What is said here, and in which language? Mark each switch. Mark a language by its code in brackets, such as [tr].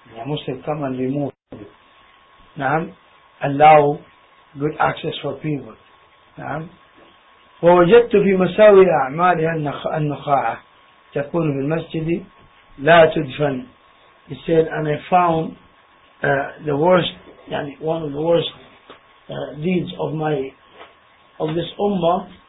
[en] The Muslim come and remove. نعم, allow good access for people. [ar] نعم, ووجدت في مساوي أعمالها النخاعة تكون في المسجد لا تدفن. [en] He said, and I found the worst, يعني one of the worst deeds of my of this ummah,